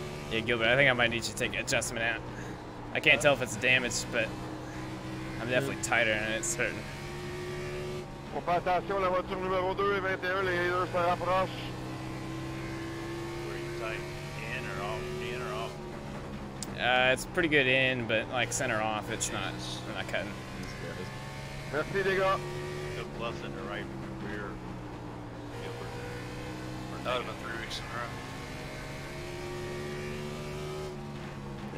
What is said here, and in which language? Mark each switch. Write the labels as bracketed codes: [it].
[en] Yeah, Gilbert, I think I might need you to take adjustment out. I can't tell if it's damaged, but I'm definitely tighter and it's certain. [fr] Attention, la voiture numéro 2 et 21, les leaders se rapprochent. [en] Were you tight in or off? In or off? It's pretty good in, but like center off, it's not. I'm not cutting. [fr] Merci, les gars. [en] Good plus in the right rear, Gilbert. We're down about 3 weeks in a row.